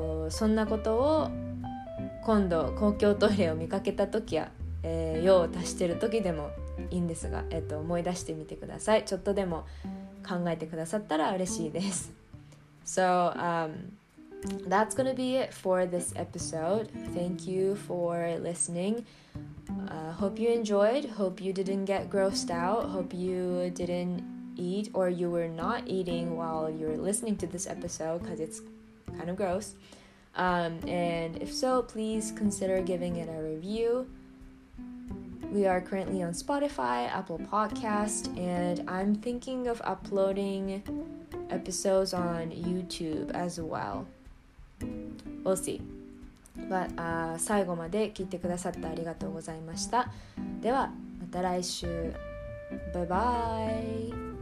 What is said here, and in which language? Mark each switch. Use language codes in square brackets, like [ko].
[ja] そんなことを今度公共トイレを見かけた時や、用を足してる時でもいいんですが、思い出してみてください。ちょっとでも考えてくださったら嬉しいです。 [en] So, that's gonna be it for this episode. Thank you for listening. Hope you enjoyed. Hope you didn't get grossed out. Hope you didn't eat or you were not eating while you were listening to this episode because it's kind of gross. And if so, please consider giving it a review. We are currently on Spotify, Apple Podcast, and I'm thinking of uploading episodes on YouTube as well. We'll see. But, [ja] 最後まで聞いてくださってありがとうございました。では、また来週。バイバイ。